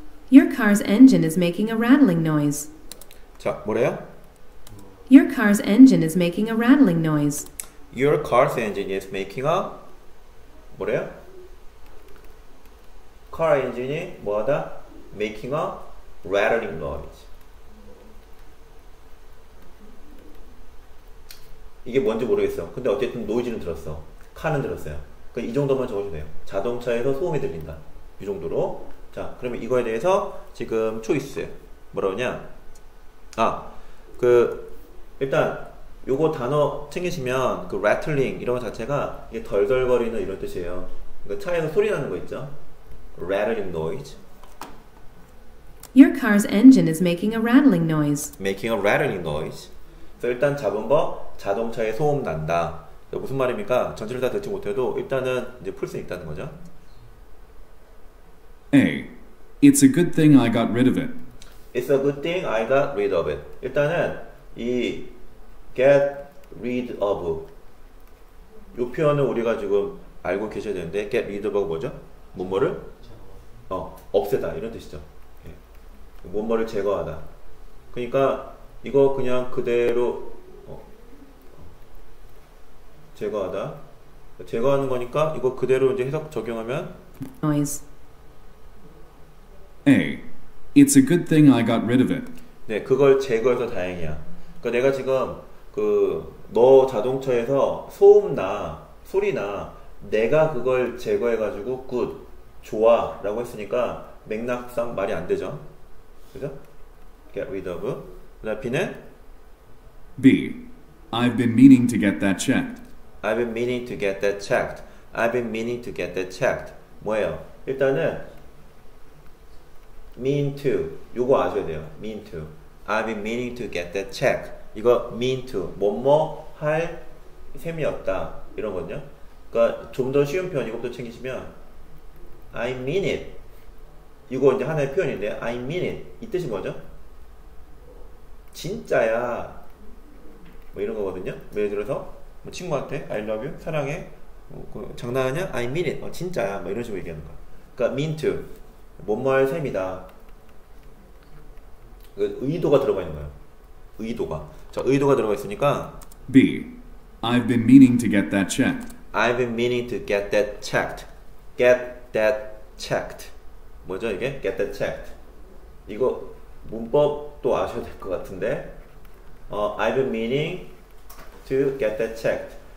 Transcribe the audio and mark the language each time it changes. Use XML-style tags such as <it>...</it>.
<en>Your car's engine is making a rattling noise.</en> <ko>자, 뭐래요?</ko> <en>Your car's engine is making a rattling noise. Your car's engine is making a</en> <ko>뭐래요?</ko> <en>Car engine이</en> <ko>뭐하다?</ko> <en>Making a rattling noise.</en> <ko>이게 뭔지 모르겠어. 근데 어쨌든 노이즈는 들었어. 카는 들었어요. 그러니까 이 정도만 적어주면 돼요. 자동차에서 소음이 들린다. 이 정도로. 자, 그러면 이거에 대해서 지금 초이스. 뭐라고 하냐. 아, 그, 일단 요거 단어 챙기시면 그 rattling 이런 거 자체가 이게 덜덜거리는 이런 뜻이에요. 그러니까 차에서 소리 나는 거 있죠?</ko> <en>Rattling noise. Your car's engine is making a rattling noise. Making a rattling noise.</en> <ko>그래서 일단 자본법, 자동차에 소음 난다. 무슨 말입니까? 전체를 다 듣지 못해도 일단은 이제 풀 수 있다는 거죠.</ko> <en>A. It's a good thing I got rid of it. It's a good thing I got rid of it.</en> <ko>일단은 이</ko> <en>get rid of</en> <ko>이 표현을 우리가 지금 알고 계셔야 되는데 get rid of 뭐죠? 뭐뭐를? 없애다 이런 뜻이죠. 예. 뭐뭐를 제거하다. 그러니까 이거 그냥 그대로 제거하다. 제거하는 거니까 이거 그대로 이제 해석 적용하면</ko> <en>noise. A. It's a good thing I got rid of it.</en> <ko>네, 그걸 제거해서 다행이야. 그러니까 내가 지금 그 너 자동차에서 소음 나, 소리 나. 내가 그걸 제거해 가지고 good. 좋아라고 했으니까 맥락상 말이 안 되죠. 그죠?</ko> <en>Get rid of.</en> <ko>그다음 B는</ko> <en>B. I've been meaning to get that checked. I've been meaning to get that checked. I've been meaning to get that checked.</en> <ko>뭐예요? 일단은</ko> <en>mean to</en> <ko>요거 아셔야 돼요.</ko> <en>mean to. I've been meaning to get that checked.</en> <ko>이거</ko> <en>mean to</en> <ko>뭐뭐 할 셈이었다 이런 거죠. 그러니까 좀 더 쉬운 표현 이것도 챙기시면</ko> <en>I mean it.</en> <ko>이거 이제 하나의 표현인데</ko> <en>I mean it.</en> <ko>이 뜻이 뭐죠? 진짜야. 뭐 이런 거거든요. 예를 들어서 뭐 친구한테</ko> <en>I love you,</en> <ko>사랑해, 뭐 장난하냐?</ko> <en>I mean it.</en> <ko>진짜야. 뭐 이런 식으로 얘기하는 거. 그러니까</ko> <en>mean to.</en> <ko>뭔말 셈이다. 의도가 들어가 있는 거예요. 의도가. 자, 의도가 들어가 있으니까</ko> <en>B. I've been meaning to get that checked. I've been meaning to get that checked. Get that checked.</en> <ko>뭐죠 이게?</ko> <en>Get that checked.</en> <ko>이거 문법도 아셔야 될 것 같은데</ko> <en>I've been meaning to get that checked.</en>